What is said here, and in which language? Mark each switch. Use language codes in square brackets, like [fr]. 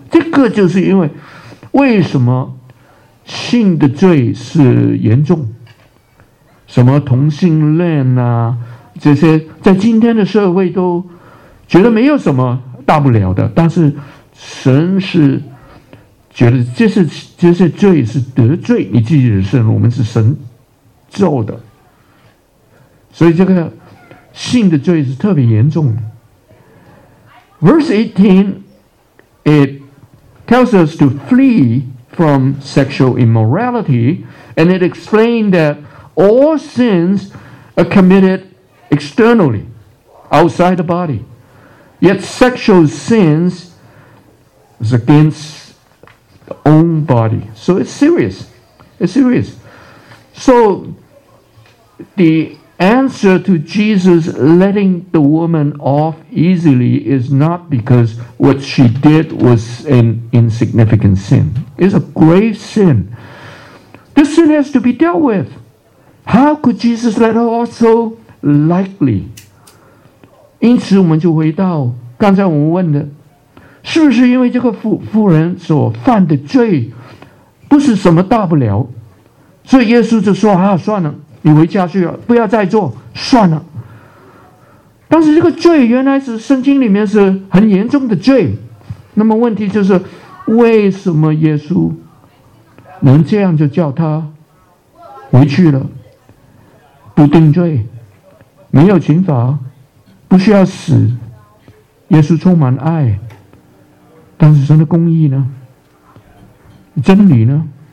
[zh] 这个就是因为为什么性的罪是严重，什么同性恋啊，这些在今天的社会都觉得没有什么大不了的，但是神是觉得这些罪是得罪你自己的身，我们是神造的，所以这个性的罪是特别严重的。 [en] Verse 18, it tells us to flee from sexual immorality, and it explained that all sins are committed externally, outside the body. Yet sexual sins is against the own body. So it's serious. It's serious. So theAnswer to Jesus letting the woman off easily is not because what she did was an insignificant sin. It's a grave sin. This sin has to be dealt with. How could Jesus let her off so lightly? [zh] 因此我们就回到刚才我们问的，是不是因为这个妇人所犯的罪不是什么大不了，所以耶稣就说啊，算了，你回家去了，不要再做，算了。但是这个罪原来是圣经里面是很严重的罪，那么问题就是为什么耶稣能这样就叫他回去了，不定罪，没有刑罚，不需要死，耶稣充满爱，但是神的公义呢，真理呢？